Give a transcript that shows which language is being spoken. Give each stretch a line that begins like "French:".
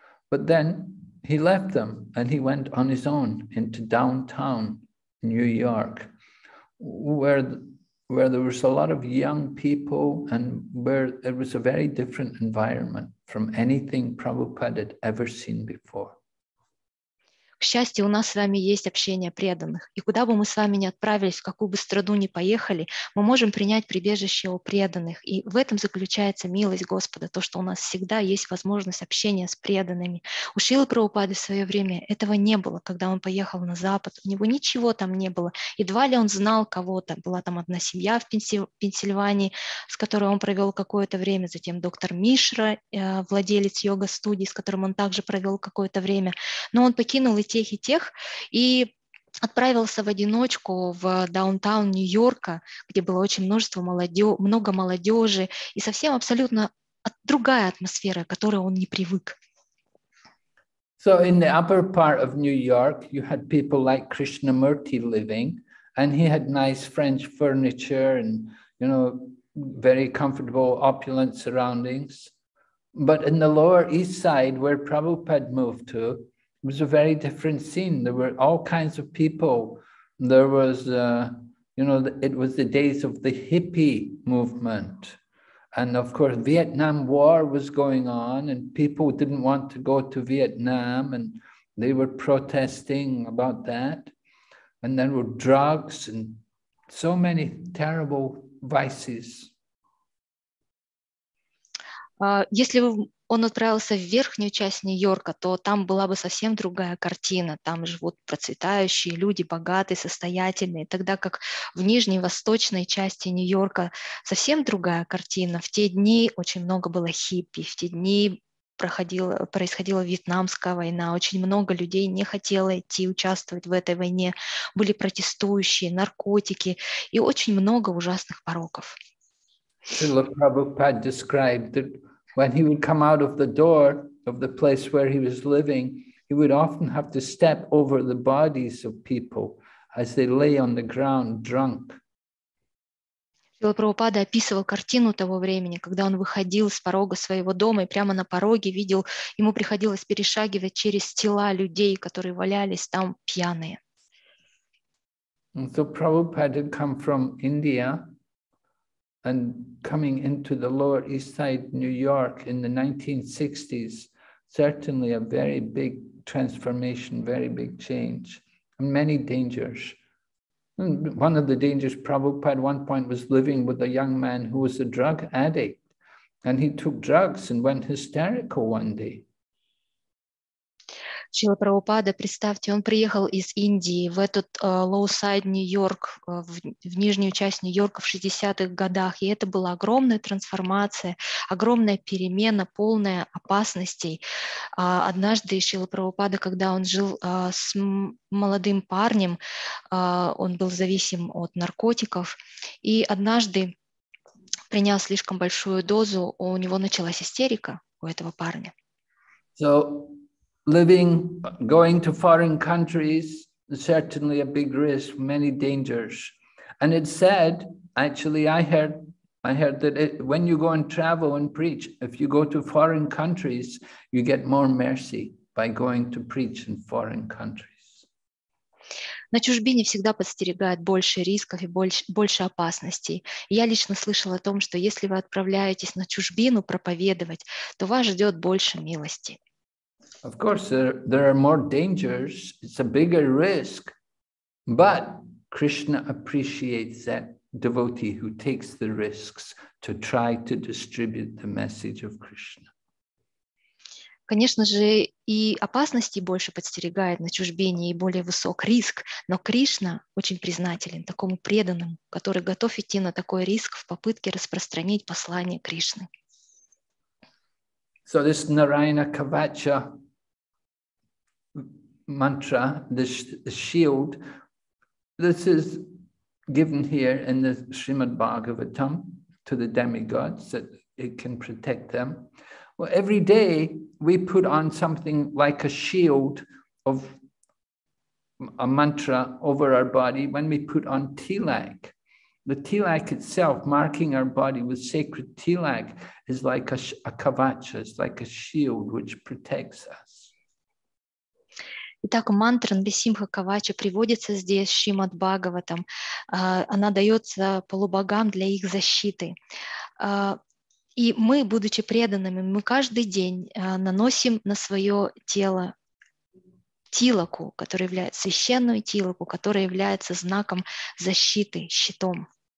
English: But then he left them and he went on his own into downtown New York, where there was a lot of young people and where it was a very different environment from anything Prabhupada had ever seen before.
Russian: К счастью, у нас с вами есть общение преданных. И куда бы мы с вами ни отправились, в какую бы страну ни поехали, мы можем принять прибежище у преданных. И в этом заключается милость Господа, то, что у нас всегда есть возможность общения с преданными. У Шрилы Прабхупады в свое время этого не было, когда он поехал на Запад. У него ничего там не было. Едва ли он знал кого-то. Была там одна семья в Пенсильвании, с которой он провел какое-то время. Затем доктор Мишра, владелец йога-студии, с которым он также провел какое-то время. Но он покинул и тех, и отправился в одиночку в даунтаун Нью-Йорка, где было очень множество молодежи, много молодежи, и совсем абсолютно другая атмосфера, к которой он не привык.
English: So in the upper part of New York, you had people like Krishnamurti living, and he had nice French furniture and, you know, very comfortable, opulent surroundings. But in the lower east side, where Prabhupada moved to, it was a very different scene. There were all kinds of people. There was, you know, it was the days of the hippie movement. And of course, Vietnam War was going on, and people didn't want to go to Vietnam, and they were protesting about that. And then were drugs and so many terrible vices.
Russian: Если бы он отправился в верхнюю часть Нью-Йорка, то там была бы совсем другая картина. Там живут процветающие люди, богатые, состоятельные. Тогда как в нижней, восточной части Нью-Йорка совсем другая картина. В те дни очень много было хиппи, в те дни происходила Вьетнамская война. Очень много людей не хотело идти участвовать в этой войне. Были протестующие, наркотики и очень много ужасных пороков.
English: Шрила Прабхупада described that when he would come out of the door of the place where he was living, he would often have to step over the bodies of people as they lay on the ground drunk.
Russian: Шрила Прабхупада описывал картину того времени, когда он выходил с порога своего дома и прямо на пороге видел, ему приходилось перешагивать через тела людей, которые валялись там пьяные.
English: So Prabhupada had come from India. And coming into the Lower East Side, New York, in the 1960s, certainly a very big transformation, very big change, and many dangers. And one of the dangers, Prabhupada at one point was living with a young man who was a drug addict, and he took drugs and went hysterical one day.
Russian: Шрила Прабхупада, представьте, он приехал из Индии в этот Лоу-Сайд Нью-Йорк, в нижнюю часть Нью-Йорка в 60-х годах, и это была огромная трансформация, огромная перемена, полная опасностей. Однажды Шрила Прабхупада, когда он жил с молодым парнем, он был зависим от наркотиков, и однажды, приняв слишком большую дозу, у него началась истерика у этого парня.
English: So... Living, going to foreign countries, certainly a big risk, many dangers. And it said, actually, I heard that when you go and travel and preach, if you go to foreign countries, you get more mercy by going to preach in foreign countries.
Russian: На чужбине всегда подстерегает больше рисков и больше опасностей. Я лично слышал о том, что если вы отправляетесь на чужбину проповедовать, то вас ждет больше милости.
English: Of course, there are more dangers, it's a bigger risk, but Krishna appreciates that devotee who takes the risks to try to distribute the message of Krishna.
Russian: Конечно же, и опасности больше подстерегает на чужбине, и более высок риск, но Кришна очень признателен такому преданному, который готов идти на такой риск в попытке распространить послание Кришны.
English: So this Narayana Kavacha mantra, the shield, this is given here in the Srimad Bhagavatam to the demigods that it can protect them. Well, every day we put on something like a shield of a mantra over our body when we put on tilak. The tilak itself, marking our body with sacred tilak, is like a kavacha, it's like a shield which protects us.
Russian: Итак, мантра Нрисимха Кавача приводится здесь, Шримад Бхагаватам. Она дается полубогам для их защиты. И мы, будучи преданными, мы каждый день наносим на свое тело тилаку, который является священную тилаку, которая является знаком защиты, щитом.